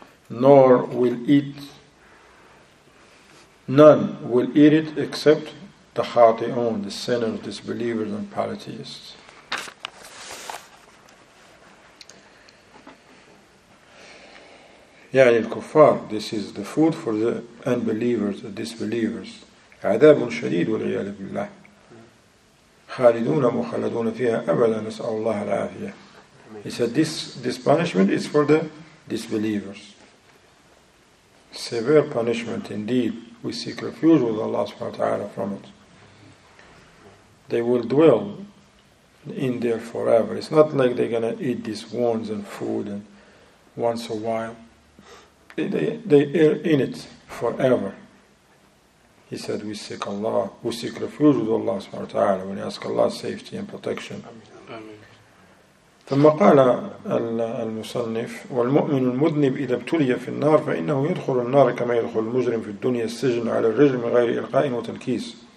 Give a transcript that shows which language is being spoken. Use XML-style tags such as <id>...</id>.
<en>Nor will eat, none will eat it except the khati'un, the sinners, disbelievers and polytheists.</en> <ar>يعني الكفار,</ar> <en>this is the food for the unbelievers, the disbelievers.</en> <ar>عذاب شديد والعياذ بالله. خالدون مخلدون فيها أبدا نسأل الله العافية.</ar> <en>He said this punishment is for the disbelievers. Severe punishment indeed. We seek refuge with Allah subhanahu wa ta'ala from it. They will dwell in there forever. It's not like they're going to eat these wounds and food and once a while. They are in it forever. He said, we seek Allah, we seek refuge with Allah subhanahu wa ta'ala, when we ask Allah's safety and protection.</en> <ar>ثم قال المصنف والمؤمن المذنب إذا ابتلي في النار فإنه يدخل النار كما يدخل المجرم في الدنيا السجن على الرجل من غير إلقاء وتنكيس.</ar>